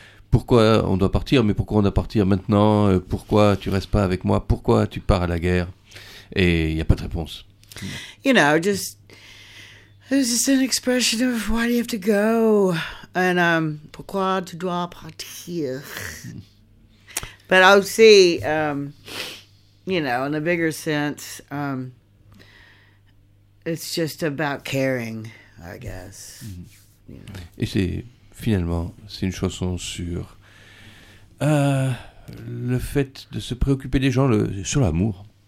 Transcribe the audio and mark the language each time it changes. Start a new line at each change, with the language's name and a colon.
French: Pourquoi on doit partir, mais pourquoi on doit partir maintenant? Pourquoi tu restes pas avec moi? Pourquoi tu pars à la guerre? Et il n'y a pas de réponse.
English: You know, just it was just an expression of why do you have to go, and
French: pourquoi tu dois partir.
English: But I'll see, you know, in a bigger sense, it's just about caring, I guess.
French: Et c'est finalement c'est une chanson sur le fait de se préoccuper des gens, sur l'amour.